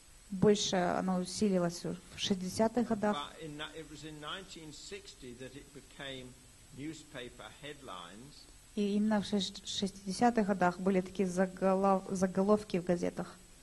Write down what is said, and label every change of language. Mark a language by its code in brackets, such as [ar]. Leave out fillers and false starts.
[ru] Больше оно усилилось в 60-х годах. [en] It was in 1960 that it became newspaper headlines. [ru] И именно в 60-х годах были такие заголовки в газетах.